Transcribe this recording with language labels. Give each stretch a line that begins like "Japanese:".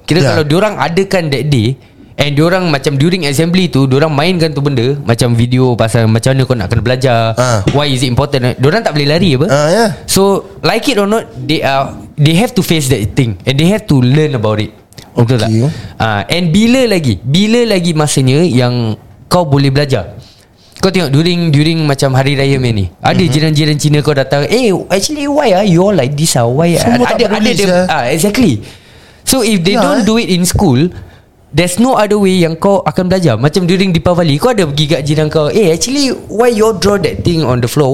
Malay: Kira kalau diorang adakan
English: that day,
Malay: and diorang macam during assembly tu, diorang mainkan tu benda, macam video pasal macam mana kau nak kena belajar,
English: why is it important,
Malay: diorang tak boleh lari apa.
English: So like it or not, They have to face that thing, and they have to learn about it.
Malay: Betul tak? And bila lagi masanya yang kau boleh belajar. Kau tengok during macam hari raya ni, ada jiran-jiran Cina kau datang,
English: actually why are you all like this? Why exactly. So if they don't do it in school, there's no other way
Malay: yang kau akan belajar. Macam during Deepavali, kau ada pergi kat jiran kau,
English: actually why you draw that thing on the floor?